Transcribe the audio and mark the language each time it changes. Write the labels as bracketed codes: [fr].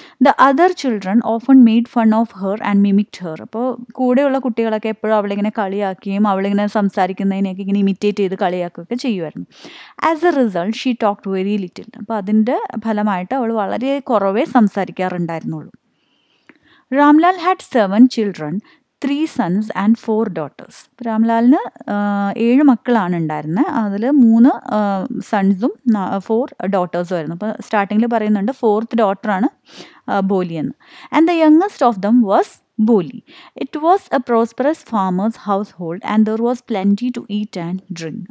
[en] The other children often made fun of her and mimicked her. [ml] അപ്പോൾ കൂടെയുള്ള കുട്ടികളൊക്കെ എപ്പോഴും അവളിങ്ങനെ കളിയാക്കുകയും അവളിങ്ങനെ സംസാരിക്കുന്നതിനെയൊക്കെ ഇങ്ങനെ ഇമിറ്റേറ്റ് ചെയ്ത് കളിയാക്കുകയൊക്കെ ചെയ്യുമായിരുന്നു. [en] As a result she talked very little. [ml] അപ്പോൾ അതിൻ്റെ ഫലമായിട്ട് അവൾ വളരെ കുറവേ സംസാരിക്കാറുണ്ടായിരുന്നുള്ളൂ. [en] Ramlal had 7 children 3 sons and 4 daughters. [ml] രാംലാലിന് 7 മക്കളാണ് ഉണ്ടായിരുന്നത്. അതിൽ 3 sons ഉം 4 daughtersഉം ആയിരുന്നു. അപ്പോൾ സ്റ്റാർട്ടിങ്ങിൽ പറയുന്നുണ്ട് 4th daughter ആണ് ബോലി എന്ന്. [en] And the youngest of them was Boli. It was a prosperous farmer's household and there was plenty to eat and drink.